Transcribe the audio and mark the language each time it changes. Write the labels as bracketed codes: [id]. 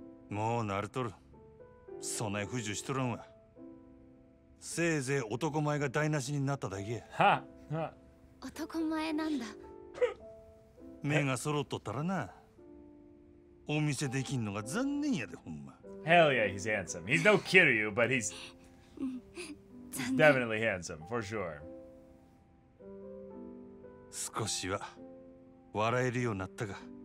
[ja] もうなるとる。そんなに不自由しとらんわ。せいぜい男前が台無しになっただけや。男前なんだ。目が揃っとったらな。お店できんのが残念やで、ほんま。Hell [en] yeah, he's handsome. He's no Kiryu, but he's definitely handsome, for sure. [ja] 少しは笑えるようになったか。